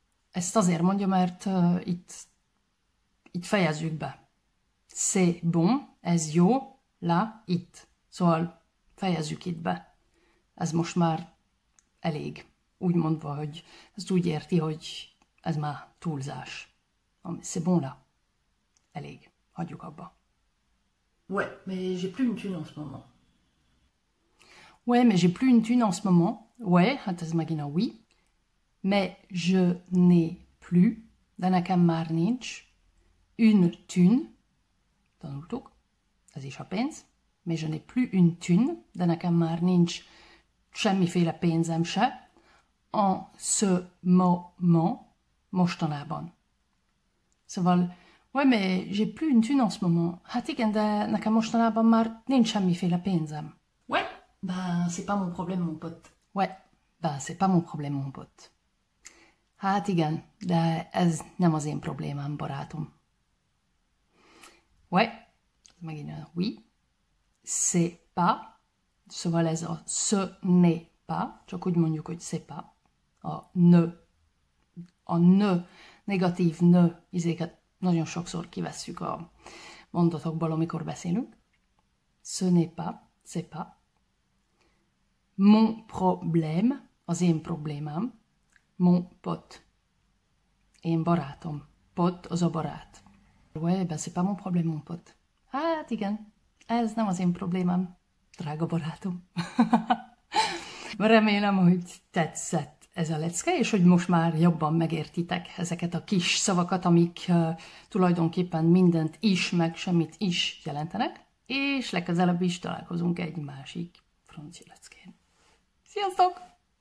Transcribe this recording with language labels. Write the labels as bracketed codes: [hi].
[hu] Ezt azért mondja, mert itt fejezzük be. [fr] C'est bon, [hu] ez jó, là, itt. Szóval fejezzük itt be. Ez most már elég. Úgy mondva, hogy ez úgy érti, hogy ez már túlzás. C'est bon là. Elég. Hagyjuk abba. [fr] Ouais, mais j'ai plus une thune en ce moment. Ouais, mais j'ai plus une thune en ce moment. [hu] Ouais, hát ez megint a oui. [fr] Mais je n'ai plus, [hu] de nekem már nincs, [fr] une thune, [hu] tanultuk, ez is a pénz, [fr] mais je n'ai plus une thune, [hu] de nekem már nincs semmiféle pénzem se, [fr] en ce moment, [hu] mostanában. [fr] Szóval, ouais, mais j'ai plus une thune en ce moment. [hu] Hát igen, de nekem mostanában már nincs semmiféle pénzem. [fr] Ben, c'est pas mon problème, mon pote. Ouais, ben c'est pas mon problème, mon pote. [hu] Hát igen, de ez nem az én problémám, barátom. Ouais, megint a oui. C'est pas, szóval ez a ce n'est pas, csak úgy mondjuk, hogy c'est pas. A ne, negatív ne izéket nagyon sokszor kivesszük a mondatokból, amikor beszélünk. [fr] Ce n'est pas, c'est pas. Mon problème, [hu] az én problémám. [fr] Mon pote. [hu] Én barátom. Pot az a barát. [fr] Ouais, ben c'est pas mon problème, mon pote. [hu] Hát igen, ez nem az én problémám, drága barátom. Remélem, hogy tetszett ez a lecke, és hogy most már jobban megértitek ezeket a kis szavakat, amik tulajdonképpen mindent is, meg semmit is jelentenek, és legközelebb is találkozunk egy másik francia leckén. Sziasztok!